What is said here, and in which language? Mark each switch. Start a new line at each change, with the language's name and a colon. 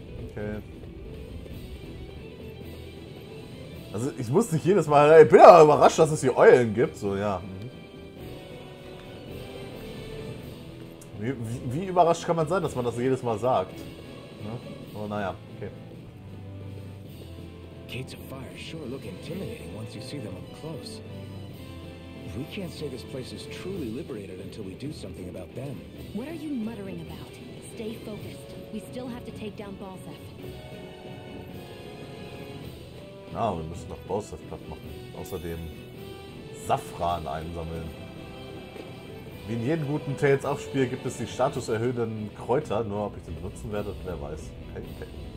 German: Okay. Also ich muss nicht jedes Mal, ich bin ja überrascht, dass es hier Eulen gibt, so ja. Wie überrascht kann man sein, dass man das jedes Mal sagt? Ne? Oh naja, okay.
English: Gates of fire sure look intimidating once you see them up close. We can't say this place is truly liberated until we do something about them. What are you muttering about? Stay focused. We still have to take down Balseth.
German: Ja, wir müssen noch Balseth platt machen. Außerdem Safran einsammeln. Wie in jedem guten Tales auf Spiel gibt es die statuserhöhenden Kräuter. Nur ob ich den benutzen werde, wer weiß. Okay.